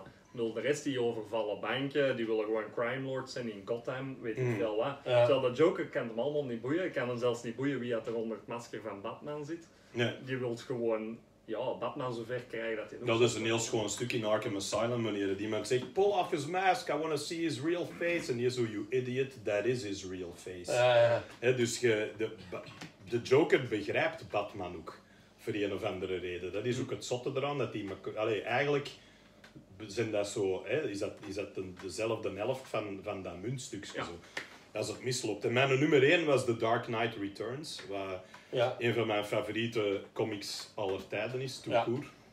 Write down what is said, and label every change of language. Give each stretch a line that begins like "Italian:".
Dutch: Ik bedoel, de rest die overvallen banken, die willen gewoon crime lords zijn in Gotham, weet ik veel wat. Ja. Terwijl de Joker kan hem allemaal niet boeien, kan hem zelfs niet boeien wie er onder het masker van Batman zit. Ja. Die wil gewoon... Ja, Batman zover krijgen dat hij... Dat is een heel schoon stuk in Arkham Asylum, wanneer die man zegt...
English: Pull off his mask, I want to see his real face.
Dutch: En je zo,
English: you idiot, that is his real face.
Dutch: He, dus de Joker begrijpt Batman ook, voor een of andere reden. Dat is ook het zotte eraan, dat hij... Allee, eigenlijk zijn dat zo, he, is dat dezelfde helft van dat muntstukje zo. Als het misloopt. En mijn nummer 1 was The Dark Knight Returns, waar een van mijn favoriete comics aller tijden is, toekoer.